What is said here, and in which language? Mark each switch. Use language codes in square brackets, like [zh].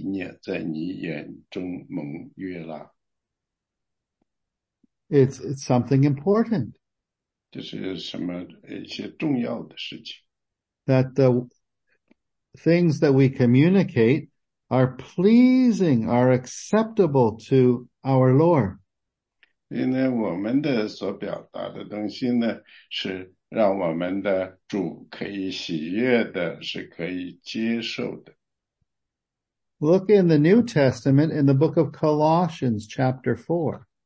[zh] 所以这个诗人呢，就是我们的大卫王呢，他写着：“耶和华我的力量，我的救赎主啊，愿我口中的言语、心里的意念，在你眼中蒙悦纳。” [en] It's something important. [zh] 这是什么一些重要的事情？ [en] That the things that we communicate are pleasing, are acceptable to our Lord. [zh] 因为我们的所表达的东西呢，是让我们的主可以喜悦的，是可以接受的。 [en] Look in the New Testament in the book of Colossians, chapter 4.